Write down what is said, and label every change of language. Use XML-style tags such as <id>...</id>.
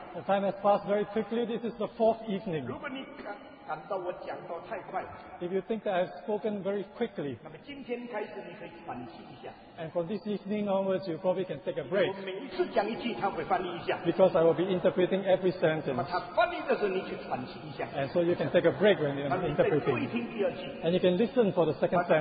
<en>The time has passed very quickly. This is the fourth evening.</en> <zh>如果你感到我讲到太快了</zh> <en>，If you think that I've spoken very quickly,</en> <zh>那么今天开始你可以反省一下。</zh> <en>And from this evening onwards, you probably can take a break.</en> <zh>我每一次讲一句，他会翻译一下。</zh> <en>Because I will be interpreting every sentence.</en> <zh>那么他翻译的时候，你去反省一下。</zh> <en>And so you can take a break when you're interpreting.</en> <zh>再听第二句。</zh> <en>And you can listen for the second sentence.</en>